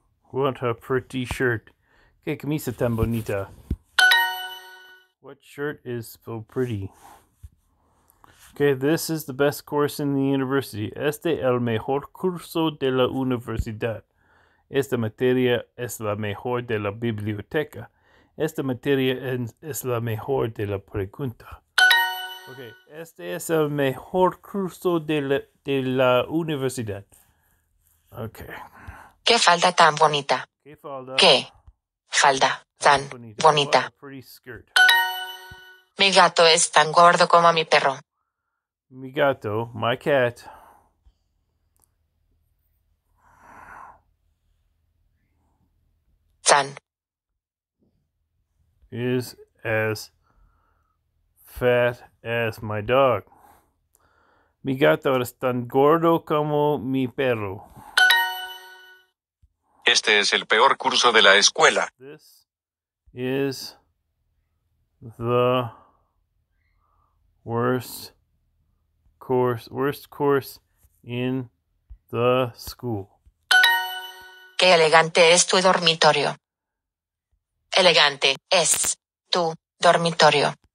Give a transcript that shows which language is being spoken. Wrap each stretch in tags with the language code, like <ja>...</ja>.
<en>What a pretty shirt.</en> <es>Qué camisa tan bonita.</es> <en>What shirt is so pretty? Okay, this is the best course in the university.</en> <es>Este el mejor curso de la universidad. Esta materia es la mejor de la biblioteca. Esta materia es la mejor de la pregunta. Okay, este es el mejor curso de la universidad. Okay. Qué falda tan bonita. Qué falda. Qué falda tan bonita. Bonita.</es> <en>What a pretty skirt.</en> <es>Mi gato es tan gordo como mi perro. Mi gato,</es> <en>my cat.</en> <es>Tan.</es> <en>Is as fat as my dog.</en> <es>Mi gato es tan gordo como mi perro. Este es el peor curso de la escuela.</es> <en>This is the worst course in the school.</en> <es>Qué elegante es tu dormitorio. Elegante es tu dormitorio.</es>